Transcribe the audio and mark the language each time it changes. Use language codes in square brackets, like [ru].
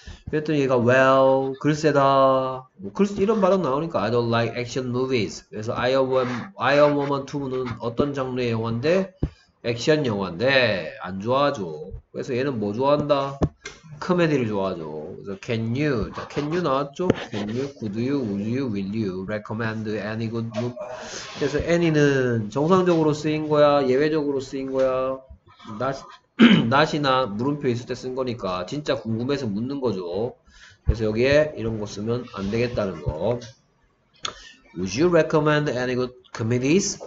[ko] 그랬더니 얘가 well 글쎄다 뭐 글쎄 이런 발언 나오니까 [en] I don't like action movies. [ko] 그래서 Iron Woman 2는 어떤 장르의 영화인데 액션 영화인데 안 좋아하죠. 그래서 얘는 뭐 좋아한다? 코미디를 좋아하죠. 그래서 [en] can you, [ko] 자, can you 나왔죠? [en] Can you, could you, would you, will you recommend any good movie? [ko] 그래서 any는 정상적으로 쓰인 거야, 예외적으로 쓰인 거야. not이나 물음표 있을 때쓴 거니까 진짜 궁금해서 묻는 거죠. 그래서 여기에 이런 거 쓰면 안 되겠다는 거. [en] Would you recommend any good comedies?